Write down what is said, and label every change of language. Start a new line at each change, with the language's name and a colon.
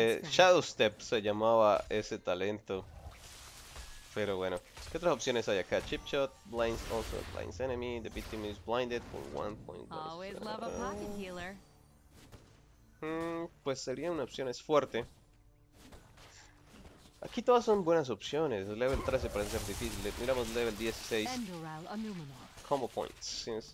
Spanish: Shadow Step se llamaba ese talento. Pero bueno, ¿qué otras opciones hay acá?
English: Chip Shot, blinds, also blinds enemy, the victim is blinded for 1.1. Always love a pocket healer.
Spanish: Pues sería una opción, es fuerte. Aquí todas son buenas opciones. Level 13 parece ser difícil. Le miramos level 16. Combo points.